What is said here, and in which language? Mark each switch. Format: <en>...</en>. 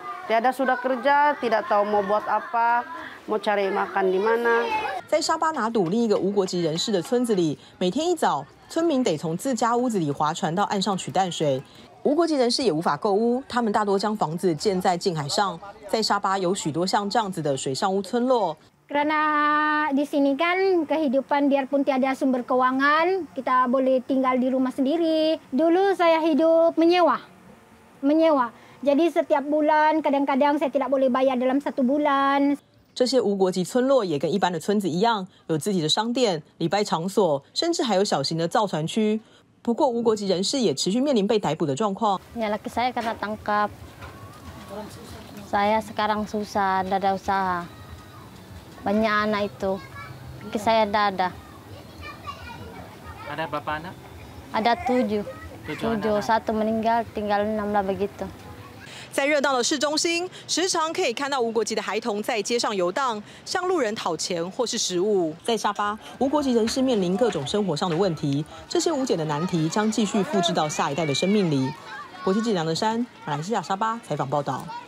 <ms>Tiada sudah kerja, tidak tahu mau buat apa, mau cari makan di mana.</ms> <zh>在沙巴拿督另一个无国籍人士的村子里，每天一早，村民得从自家屋子里划船到岸上取淡水。无国籍人士也无法购屋，他们大多将房子建在近海上。在沙巴有许多像这样子的水上屋村落。</zh> <ms>Karena di sini kan kehidupan biarpun tiada sumber keuangan, kita boleh tinggal di rumah sendiri. Dulu saya hidup menyewa. Jadi setiap bulan kadang-kadang saya tidak boleh bayar dalam satu bulan.</ms> <zh>这些无国籍村落也跟一般的村子一样，有自己的商店、礼拜场所，甚至还有小型的造船区。不过，无国籍人士也持续面临被逮捕的状况。</zh> <ms>Laki saya kena tangkap, saya sekarang susah, tidak ada usaha, banyak anak itu, laki saya tidak ada. Ada berapa anak? Ada 7, 1 meninggal, tinggal 6 begitu.</ms> <zh>在热闹的市中心，时常可以看到无国籍的孩童在街上游荡，向路人讨钱或是食物。在沙巴，无国籍人士面临各种生活上的问题，这些无解的难题将继续复制到下一代的生命里。国际记者梁德山，马来西亚沙巴采访报道。</zh>